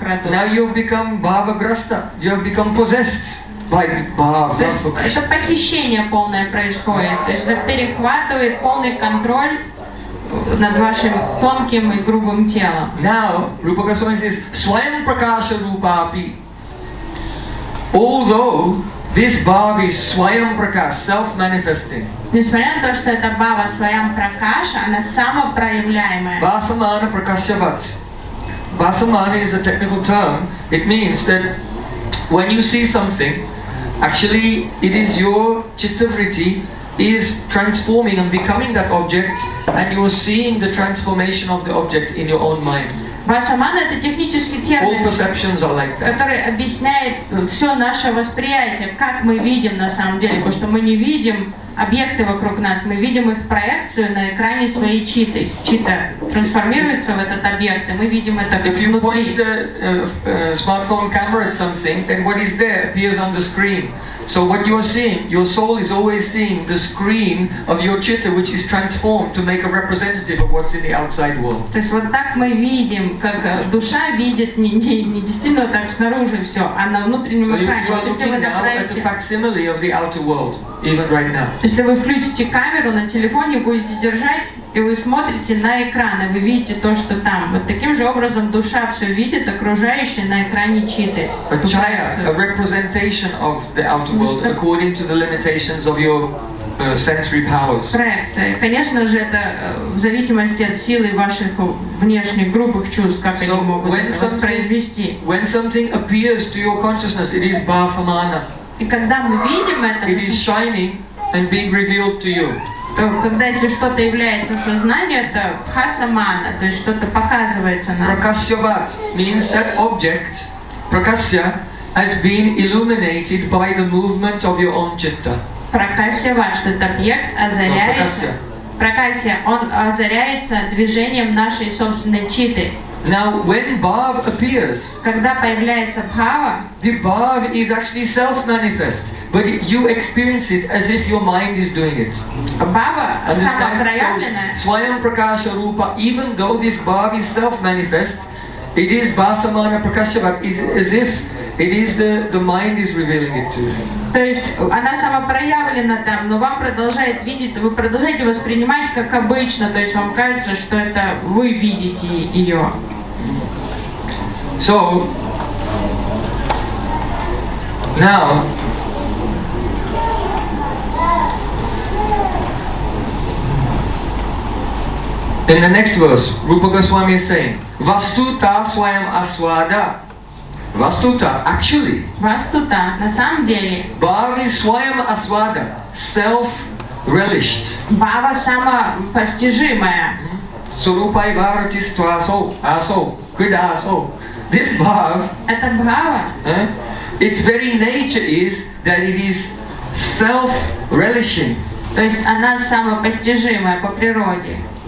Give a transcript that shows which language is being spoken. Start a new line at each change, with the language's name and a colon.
English: Now you have become bhava-grasta. You have become possessed by bhava.
Russian: То есть это похищение полное происходит. То есть это перехватывает полный контроль над вашим тонким и грубым телом.
English: Now, Rupa Goswami says,
Sanskrit: Swayam Prakasha Rupapi.
English: Although this bhava is Swayam Prakash, self-manifesting.
Russian: Несмотря на то, что это бхава Swayam Prakash, она самопроявляемая.
Sanskrit: Basamana Prakashavat.
English: Basamana is a technical term. It means that when you see something, actually it is your chitta vritti is transforming and becoming that object, and you are seeing the transformation of the object in your own mind.
Russian: Басамана — это технический термин.
English: All perceptions are like that.
Russian: Который объясняет все наше восприятие, как мы видим на самом деле, потому что мы не видим объекты вокруг нас, мы видим их проекцию на экране своей читы. Чита трансформируется в этот объект, и мы видим это внутри.
English: If you point a smartphone camera at something, then what is there appears on the screen. So what you are seeing, your soul is always seeing the screen of your chitta, which is transformed to make a representative of what's in the outside world.
Russian: То есть вот так мы видим, как душа видит не действительно так снаружи все, а на внутреннем экране.
English: You are looking now at a facsimile of the outer world, even right now.
Russian: Если вы включите камеру на телефоне, будете держать, и вы смотрите на экран, и вы видите то, что там. Вот таким же образом душа все видит, окружающее на экране читы.
English: A chaya, a representation of the outer world according to the limitations of your sensory powers.
Russian: Проекция. Конечно же, это в зависимости от силы ваших внешних грубых чувств, как они могут это воспроизвести.
English: When something appears to your consciousness, it is bhasamana.
Russian: И когда мы видим это,
English: it is shining and being revealed to you.
Russian: то когда если что-то является сознанием, это пхасамана, то есть что-то показывается нам.
English: Prakasyavat means that object, prakasya, has been illuminated by the movement of your own citta.
Russian: Prakasyavat, что это объект, озаряется. Prakasya, он озаряется движением нашей собственной читы.
English: Now, when bhav appears,
Russian: когда появляется бхава,
English: the bhav is actually self-manifest, but you experience it as if your mind is doing it.
Russian: Bhava самопроявленная.
Sanskrit: Swayam prakasha rupa.
English: Even though this bhav is self-manifest, it is bhasamana prakashyavat, as if it is the mind is revealing it to you.
Russian: То есть она самопроявлена там, но вам продолжает видеться, вы продолжаете воспринимать как обычно, то есть вам кажется, что это вы видите ее.
English: So now in the next verse, Rupa Goswami is saying,
Sanskrit: Vastuta Swayam Aswada.
English: Vastuta, actually.
Russian: Vastuta, на самом деле.
English: Bhava swayam aswada, self-relished.
Russian: Bhava самопостижимая.
Sanskrit: Surupai bharati stva aso, aso, kida aso. This bhava.
Russian: Это бхава.
English: Its very nature is that it is self-relishing.
Russian: То есть она самопостижимая по природе.